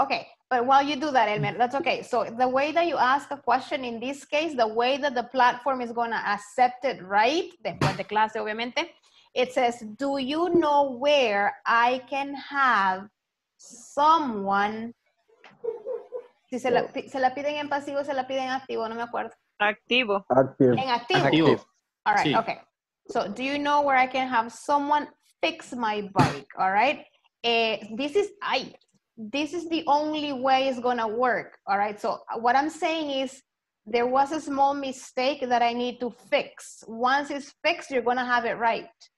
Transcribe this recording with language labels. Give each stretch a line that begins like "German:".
English: Okay, but while you do that, Elmer, that's okay. So the way that you ask a question in this case, the way that the platform is going to accept it, right?
Spanish: Después de clase, obviamente.
English: It says, do you know where I can have someone?
Spanish: Si se la piden en pasivo, se la piden activo, no me acuerdo. Activo.
English: Active.
Spanish: En activo.
English: Active. All right, sí. Okay. So do you know where I can have someone fix my bike, all right? This is the only way it's gonna work, all right? So what I'm saying is, There was a small mistake that I need to fix. Once it's fixed, you're gonna have it right.